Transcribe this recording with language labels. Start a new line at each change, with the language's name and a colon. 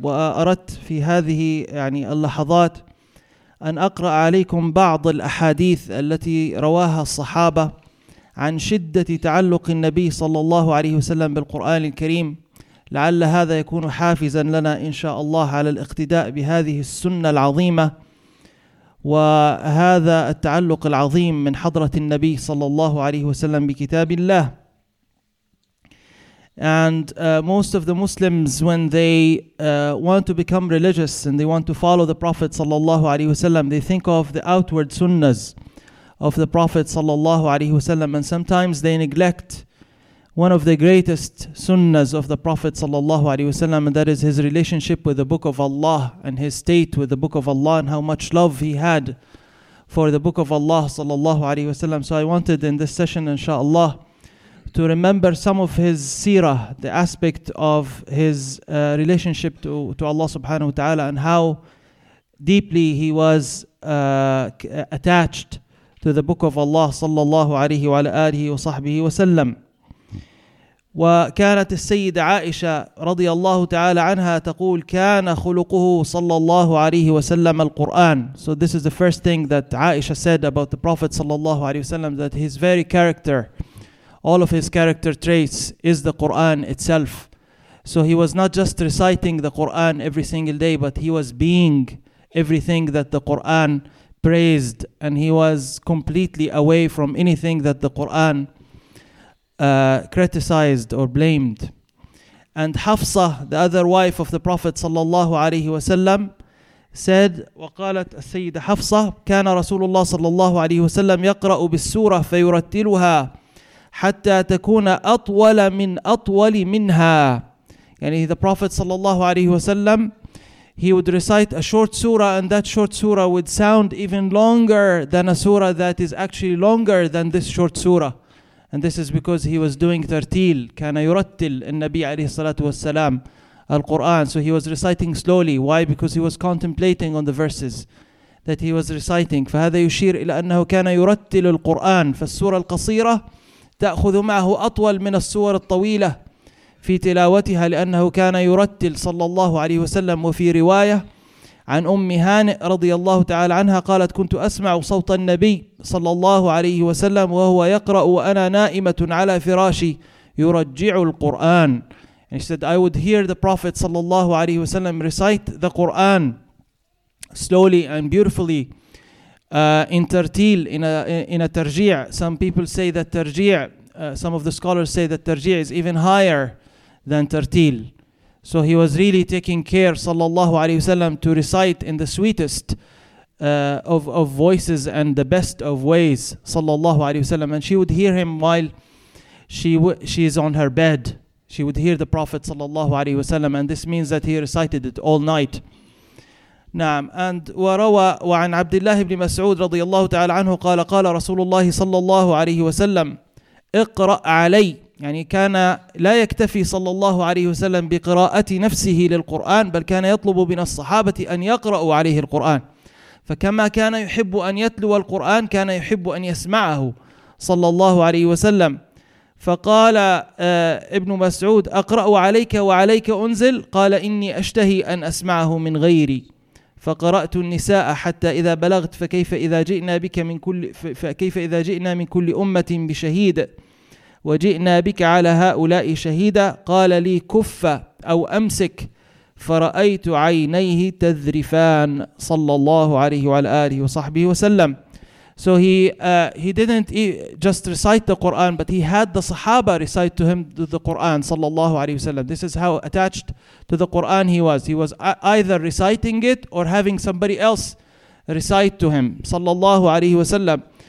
Arabic: وأردت في هذه يعني اللحظات أن أقرأ عليكم بعض الأحاديث التي رواها الصحابة عن شدة تعلق النبي صلى الله عليه وسلم بالقرآن الكريم، لعل هذا يكون حافزا لنا إن شاء الله على الاقتداء بهذه السنة العظيمة وهذا التعلق العظيم من حضرة النبي صلى الله عليه وسلم بكتاب الله.
English: And most of the Muslims, when they want to become religious and they want to follow the Prophet
Arabic: صلى الله عليه وسلم,
English: they think of the outward sunnahs of the Prophet صلى الله عليه وسلم, and sometimes they neglect one of the greatest sunnahs of the Prophet sallallahu alaihi wasallam, and that is his relationship with the Book of Allah and his state with the Book of Allah and how much love he had for the Book of Allah sallallahu alaihi wasallam. So I wanted in this session, inshallah, to remember some of his seerah, the aspect of his relationship to Allah subhanahu wa ta'ala, and how deeply he was attached to the Book of Allah sallallahu alaihi wa alihi wa sahbihi wasallam.
Arabic: وكانت السيدة عائشة رضي الله تعالى عنها تقول كان خلقه صلى الله عليه وسلم القرآن.
English: So this is the first thing that Aisha said about the Prophet
Arabic: صلى الله عليه وسلم,
English: that his very character, all of his character traits is the Quran itself. So he was not just reciting the Quran every single day, but he was being everything that the Quran praised, and he was completely away from anything that the Quran criticized or blamed. And Hafsa, the other wife of the Prophet sallallahu alayhi wa sallam, said,
Arabic: وقالت السيدة حفصة كان رسول الله صلى الله عليه وسلم يقرأ بالسورة فيرتلها حتى تكون أطول من أطول منها.
English: يعني the Prophet sallallahu alayhi wa sallam, he would recite a short surah, and that short surah would sound even longer than a surah that is actually longer than this short surah. And this is because he was doing tartil.
Arabic: كان يرتل النبي عليه الصلاة والسلام القرآن.
English: So he was reciting slowly. Why? Because he was contemplating on the verses that he was reciting.
Arabic: فهذا يشير إلى أنه كان يرتل القرآن. فالسورة القصيرة تأخذ معه أطول من السور الطويلة في تلاوتها لأنه كان يرتل صلى الله عليه وسلم. وفي رواية عن أم هانئ رضي الله تعالى عنها قالت كنت أسمع صوت النبي صلى الله عليه وسلم وهو يقرأ وأنا نائمة على فراشي يرجع القرآن.
English: And she said, I would hear the Prophet
Arabic: صلى الله عليه وسلم
English: recite the Quran slowly and beautifully In tertil, in a tarji', some people say that tarji', some of the scholars say that tarji' is even higher than tertil. So he was really taking care, sallallahu alayhi wasallam, to recite in the sweetest of voices and the best of ways, sallallahu alayhi wasallam. And she would hear him while she is on her bed. She would hear the Prophet sallallahu alayhi wasallam, and this means that he recited it all night.
Arabic: نعم. And وروى وعن عبد الله بن مسعود رضي الله تعالى عنه قال قال رسول الله صلى الله عليه وسلم اقرأ علي يعني كان لا يكتفي صلى الله عليه وسلم بقراءة نفسه للقرآن بل كان يطلب من الصحابة أن يقرأوا عليه القرآن فكما كان يحب أن يتلو القرآن كان يحب أن يسمعه صلى الله عليه وسلم فقال ابن مسعود أقرأ عليك وعليك أنزل قال إني أشتهي أن أسمعه من غيري فقرأت النساء حتى إذا بلغت فكيف إذا جئنا بك من كل فكيف إذا جئنا من كل أمة بشهيد وجئنا بك على هؤلاء شهيدا قال لي كف أو أمسك فرأيت عينيه تذرفان صلى الله عليه وعلى آله وصحبه وسلم.
English: So he didn't just recite the Quran, but he had the Sahaba recite to him the Quran, sallallahu alayhi wasallam. This is how attached to the Quran he was. He was either reciting it or having somebody else recite to him, sallallahu alayhi wasallam.